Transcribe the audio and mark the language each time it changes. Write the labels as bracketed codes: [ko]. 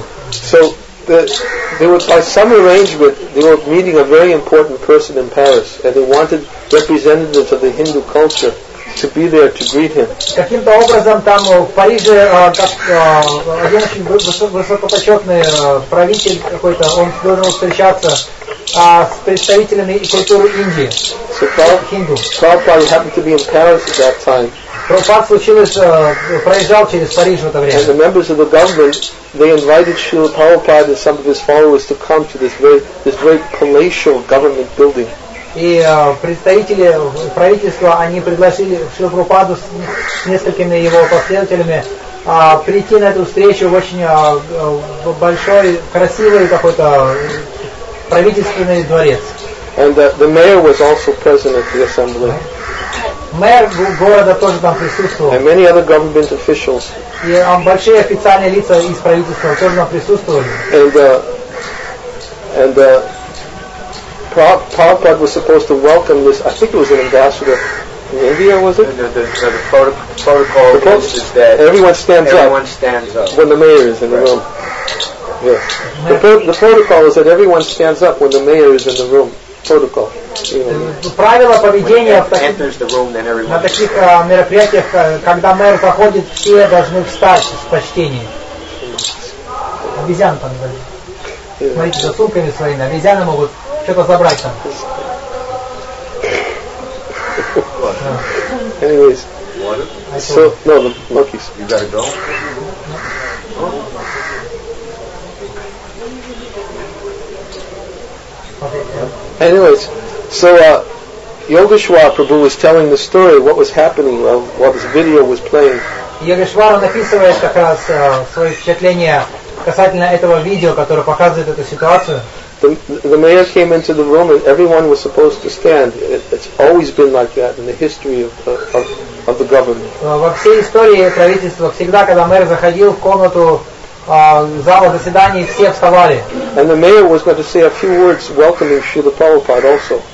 [en] So they were by some arrangement they were meeting a very important person in Paris, and they wanted representatives of the Hindu culture to be there to greet him. [ru] Каким-то образом там в Париже один очень высокопочетный правитель какой-то, он должен встречаться с представителями культуры Индии. [en] So Prabhupada happened to be in Paris at that time. [ru] Прабхупад проезжал через Париж в это время. [en] And the members of the government, they invited Srila Prabhupada and some of his followers to come to this very palatial government building. [ru] И представители правительства, они пригласили Шрилу Прабхупаду с несколькими его последователями прийти на эту встречу в очень большой, красивый какой-то правительственный дворец. [en] And the mayor was also present at the assembly. [ru] Мэр города тоже там присутствовал. [en] And many other government officials. [ru] И большие официальные лица из правительства тоже там присутствовали. [en] And Prabhupada was supposed to welcome this, I think it was an ambassador in India, was it? The protocol is that everyone stands up when the mayor is in the room. Yeah. The protocol is that everyone stands up when the mayor is in the room. Protocol. [ru] Правила поведения на таких мероприятиях, когда мэр проходит, все должны встать с почтением. Обезьяны там были. Смотрите, за сумками своими. Обезьяны могут что-то забрать там. [en] Anyways. So, no, the monkeys. You gotta go? Anyways, so Yogeshwar Prabhu was telling the story of what was happening while this video was playing. [ru] Yogeshwar написывает как раз свои впечатления касательно этого видео, которое показывает эту ситуацию. [en] The mayor came into the room and everyone was supposed to stand. It's always been like that in the history of the government. [ru] Во всей истории правительства всегда, когда мэр заходил в комнату зала заседаний, все вставали. [en] And the mayor was going to say a few words welcoming Srila Prabhupada also.